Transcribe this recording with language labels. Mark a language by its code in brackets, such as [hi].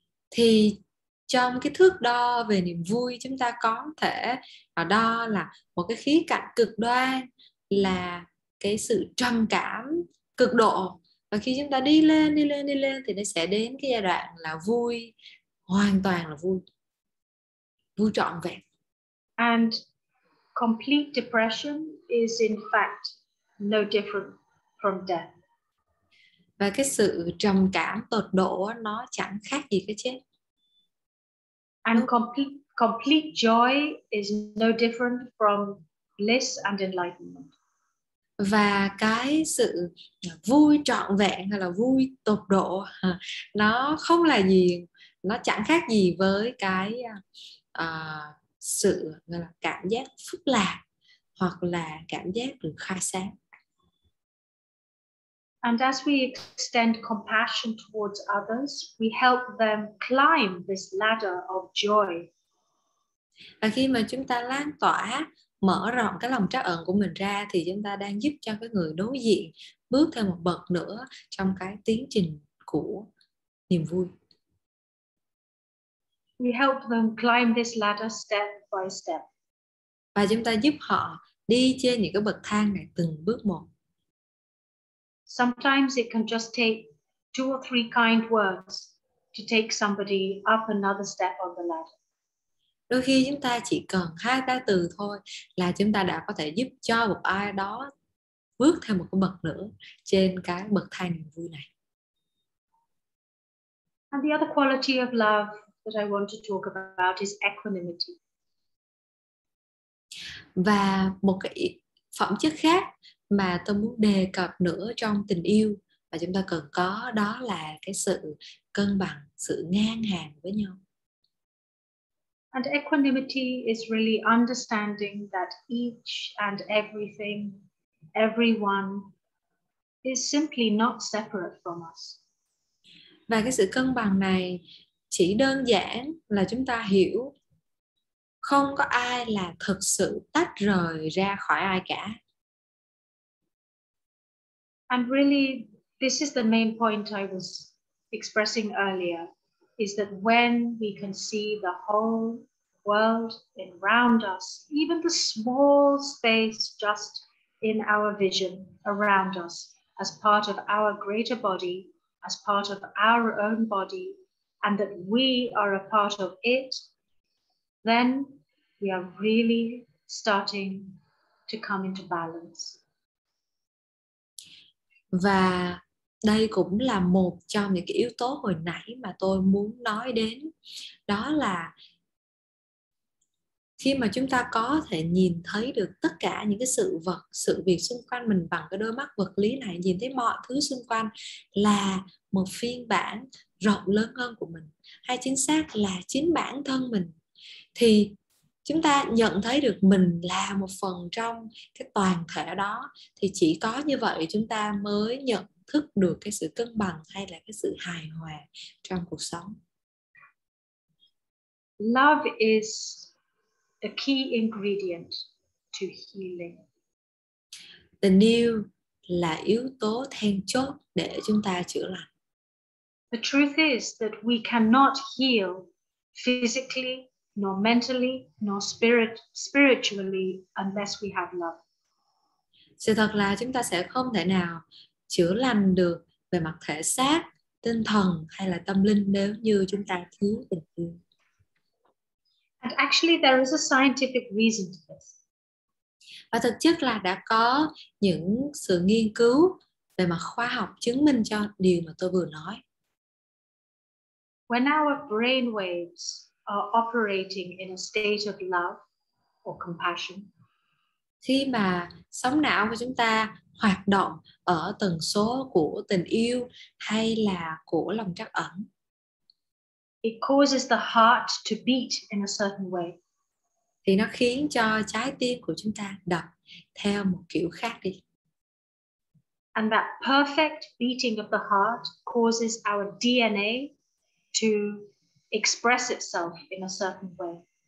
[vi] Thì trong cái thước đo về niềm vui, chúng ta có thể đo là một cái khía cạnh cực đoan là cái sự trầm cảm cực độ. Và khi chúng ta đi lên thì nó sẽ đến cái giai đoạn là vui, hoàn toàn là vui, vui trọn vẹn. [en] And complete depression is in fact no different from death. [vi] Và cái sự trầm cảm tột độ nó chẳng khác gì cái chết. [en] And complete joy is no different from bliss and enlightenment. [vi] Và cái sự vui trọn vẹn hay là vui tột độ nó không là gì, nó chẳng khác gì với cái sự là cảm giác phức lạc hoặc là cảm giác được khai sáng. [en] And as we extend compassion towards others, we help them climb this ladder of joy. [vi] Và khi mà chúng ta lan tỏa, mở rộng cái lòng trắc ẩn của mình ra thì chúng ta đang giúp cho cái người đối diện bước thêm một bậc nữa trong cái tiến trình của niềm vui. [en] We help them climb this ladder step by step. [vi] Và chúng ta giúp họ đi trên những cái bậc thang này từng bước một. [en] Sometimes it can just take two or three kind words to take somebody up another step on the ladder. [vi] Đôi khi chúng ta chỉ cần hai ba từ thôi là chúng ta đã có thể giúp cho một ai đó bước thêm một cái bậc nữa trên cái bậc thang niềm vui này. [en] And the other quality of love that I want to talk about is equanimity. [vi] Và một cái phẩm chất khác mà tôi muốn đề cập nữa trong tình yêu mà chúng ta cần có đó là cái sự cân bằng, sự ngang hàng với nhau. [en] And equanimity is really understanding that each and everything, everyone is simply not separate from us. [vi] Và cái sự cân bằng này chỉ đơn giản là chúng ta hiểu không có ai là thực sự tách rời ra khỏi ai cả. [en] And really This is the main point I was expressing earlier, is that when we can see the whole world around us, even the small space just in our vision around us, as part of our greater body, as part of our own body, and that we are a part of it, then we are really starting to come into balance. [vi] Và đây cũng là một trong những cái yếu tố hồi nãy mà tôi muốn nói đến. Đó là khi mà chúng ta có thể nhìn thấy được tất cả những cái sự vật, sự việc xung quanh mình bằng cái đôi mắt vật lý này, nhìn thấy mọi thứ xung quanh là một phiên bản rộng lớn hơn của mình, hay chính xác là chính bản thân mình, thì chúng ta nhận thấy được mình là một phần trong cái toàn thể đó, thì chỉ có như vậy chúng ta mới nhận thức được cái sự cân bằng hay là cái sự hài hòa trong cuộc sống. [en] Love is the key ingredient to healing. [vi] Tình yêu là yếu tố then chốt để chúng ta chữa lành. [en] The truth is that we cannot heal physically, nor mentally, nor spiritually unless we have love. [vi] Sự thật là chúng ta sẽ không thể nào chữa lành được về mặt thể xác, tinh thần hay là tâm linh nếu như chúng ta thiếu tình yêu. [en] And actually there is a scientific reason to this. [vi] Và thực chất là đã có những sự nghiên cứu về mặt khoa học chứng minh cho điều mà tôi vừa nói. [en] When our brain waves are operating in a state of love or compassion, [vi] khi mà sóng não của chúng ta hoạt động ở tần số của tình yêu hay là của lòng trắc ẩn, [en] it causes the heart to beat in a certain way. [vi] Thì nó khiến cho trái tim của chúng ta đập theo một kiểu khác đi. [en] And that perfect beating of the heart causes our DNA to express itself in a certain way.